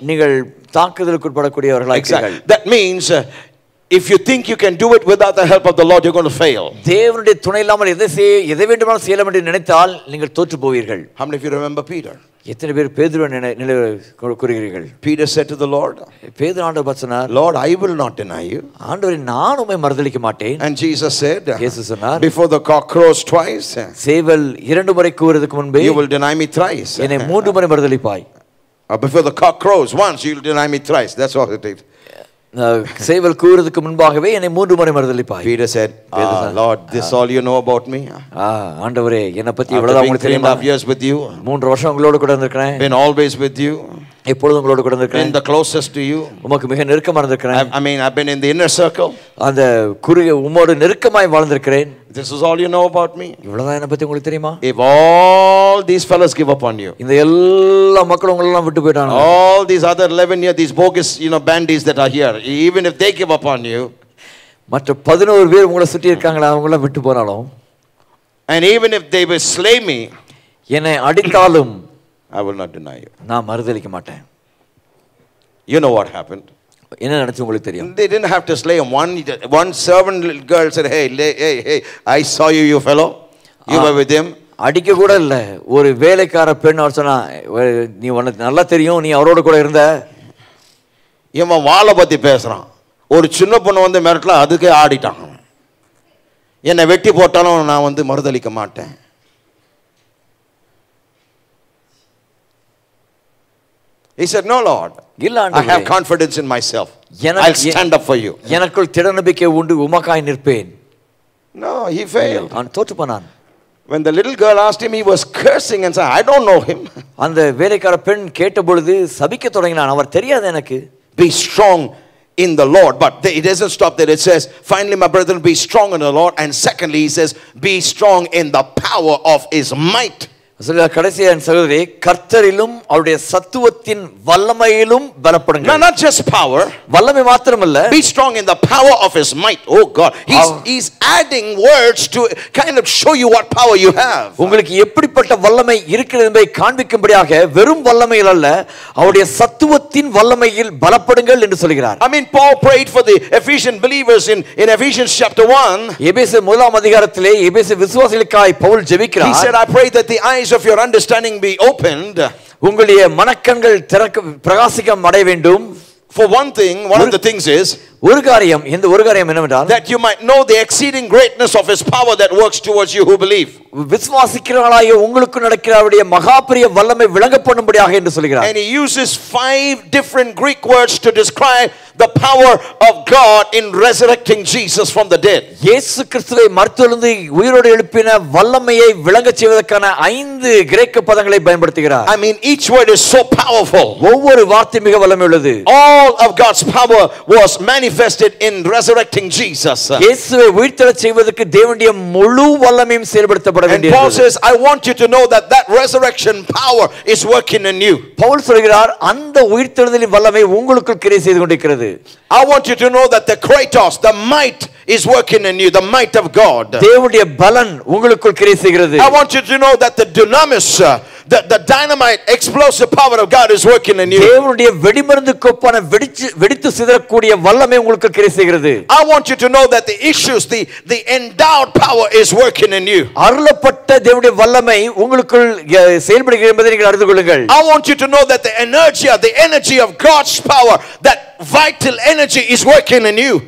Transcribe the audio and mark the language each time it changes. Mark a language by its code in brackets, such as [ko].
[ta] நீங்கள் தாக்குதலுக்குட்படக்கூடியவர்களாக இருக்கிறீர்கள். [en] That means if you think you can do it without the help of the Lord, you're going to fail. [ta] தேவனுடைய துணை இல்லாமல் எதை வேண்டுமான செய்யலாம் என்று நினைத்தால் நீங்கள் தோற்று போவீர்கள். [en] How many of you remember Peter? [ta] எத்தனை பேர் பேதுருவன் கூறுகிறீர்கள்? [en] Peter said to the Lord, [ta] பேதுரு ஆண்டவர் சொன்னார், [en] Lord, I will not deny you. [ta] ஆண்டவரே, நான் உம்மை மறுதலிக்க மாட்டேன். [en] And Jesus said, [ta] இயேசு சொன்னார், [en] Before the cock crows twice, [ta] சேவல் இரண்டு முறை கூறுவதற்கு முன்பே, [en] you will deny me thrice. [ta] என்னை மூன்று முறை மறுதலிப்பாய். [en] Before the cock crows once, you'll deny me thrice. That's what it is. [ta] சேவல் கூறுவதற்கு முன்பாகவே என்னை மூன்று முறை மறுதலிப்பாய். [en] Peter said, Lord, this all you know about me? [ta] ஆண்டவரே, என்னை பத்தி இவ்வளவு உங்களுக்கு தெரியும். [en] 3.5 years with you. [ta] மூன்று வருஷம் உங்களோடு கூட இருந்திருக்கிறேன். [en] Been always with you. [ta] எப்பொழுதும் உங்களோடு கூட இருந்திருக்கிறேன். [en] In the closest to you. [ta] உமக்கு மிக நெருக்கமா இருந்திருக்கிறேன். [en] I mean, I've been in the inner circle. [ta] அந்த குறுக உமோடு நெருக்கமாய் வாழ்ந்திருக்கிறேன். [en] This is all you know about me. [ta] இவ்வளவு என்ன பத்தி உங்களுக்கு தெரியுமா? [en] If all these fellows give up on you. [ta] இந்த எல்லா மக்களும் உங்களை விட்டு போயிட்டாங்க. [en] All these other 11 year these bogus, you know, bandies that are here, even if they give up on you. [ta] மற்ற 11 பேர் உங்களை சுத்தி இருக்காங்களா, அவங்கள விட்டு போறாலோ. [en] And even if they will slay me. [ta] என்னை அடித்தாலும் [en] I will not deny you. [ta] நான் மறுதலிக்க மாட்டேன். [en] You know what happened? [ta] என்ன நடந்துச்சு உங்களுக்கு தெரியும். [en] They didn't have to slay him. One servant girl said, hey, I saw you fellow. You were with him. [ta] அடிக்க கூட இல்ல. ஒரு வேலைக்கார பெண் அவர் சொன்னா, நீ உனக்கு நல்லா தெரியும், நீ அவரோட கூட இருந்த. இவன் வாளை பத்தி பேசுறான். ஒரு சின்ன பொண்ணு வந்து மிரட்டல, அதுக்கே ஆடிட்டான். என்னை வெட்டி போட்டாலும் நான் வந்து மறுதளிக்க மாட்டேன். [en] He said, no Lord, I have confidence in myself. I'll stand up for you. [ta] எனக்குள் திடநம்பிக்கை உண்டு, உமக்காய் நிற்பேன். [en] No, he failed. [ta] அவன் தோற்று போனான். [en] When the little girl asked him, he was cursing and said, I don't know him. [ta] அந்த வேலைக்கார பெண் கேட்டபொழுது சபிக்க தொடங்கினான், அவர் தெரியாது எனக்கு. [en] Be strong in the Lord, but it doesn't stop there. It says, finally, my brethren, be strong in the Lord. And secondly, he says, be strong in the power of his might. Not just power. [ta] வல்லமை மாத்திரமல்ல. [en] Be strong in the power of his might. Oh God. He's adding words to kind of show you what power you have. [ta] உங்களுக்கு எப்படிப்பட்ட வல்லமை இருக்கிறது என்பதை காண்பிக்கும்படியாக வெறும் வல்லமையில் அல்ல அவருடைய சத்துவத்தின் வல்லமையில் பலப்படுங்கள் என்று சொல்கிறார். [en] I mean, Paul prayed for the Ephesian believers in Ephesians chapter 1. [ta] எபேசு முதலாம் அதிகாரத்திலே எபேசு விசுவாசிகளுக்காய் பவுல் ஜெபிக்கிறார். [en] He said, I pray that the eyes of your understanding be opened. [ta] உங்களுடைய மனக்கண்கள் திறக்க பிரகாசிக்கம் அடைய வேண்டும். [en] For one thing, one of the things is that you might know the exceeding greatness of his power that works towards you who believe. [ta] விசுவாசிக்கிறவர்களாய் உங்களுக்கு நடக்கிற அவருடைய மகாபெரிய வல்லமை விளங்கப்படும்படியாக என்று சொல்கிறார். [en] And he uses 5 different Greek words to describe the power of God in resurrecting Jesus from the dead. [ta] இயேசு கிறிஸ்துவை மரித்தோரிலிருந்து உயிரோடு எழுப்பின வல்லமையை விளங்கச் செய்வதற்கான 5 கிரேக்க பதங்களை பயன்படுத்துகிறார். [en] I mean, each word is so powerful. [ta] ஒவ்வொரு வார்த்தை மிக வல்லமை உள்ளது. [en] All of God's power was manifested in resurrecting Jesus. [ta] இயேசுவை உயிர்த்தெழச் செய்வதற்கு தேவனுடைய முழு வல்லமையும் செயல்படுத்தப்பட வேண்டியது. [en] Paul says, I want you to know that resurrection power is working in you. [ta] Pavul சொல்கிறார் அந்த உயிர்த்தெழுதலின் வல்லமை உங்களுக்குள் கிரியை செய்து கொண்டிருக்கிறது. [en] I want you to know that the Kratos, the might, is working in you, the might of God. [ta] தேவனுடைய பலன் உங்களுக்குள் கிரியை செய்கிறது. [en] I want you to know that the dunamis, the dynamite, explosive power of God is working in you. [ta] தேவனுடைய வெடிமருந்து கொப்பான வெடித்து சிதறக்கூடிய வல்லமை உங்களுக்குள் கிரியை செய்கிறது. [en] I want you to know that the issues, the endowed power is working in you. [ta] அருளப்பட்ட தேவனுடைய வல்லமை உங்களுக்குள் செயல்படுகிறது என்பதை நீங்கள் அறிந்து கொள்ளுங்கள். [en] I want you to know that the energy of God's power, that vital energy is working in you.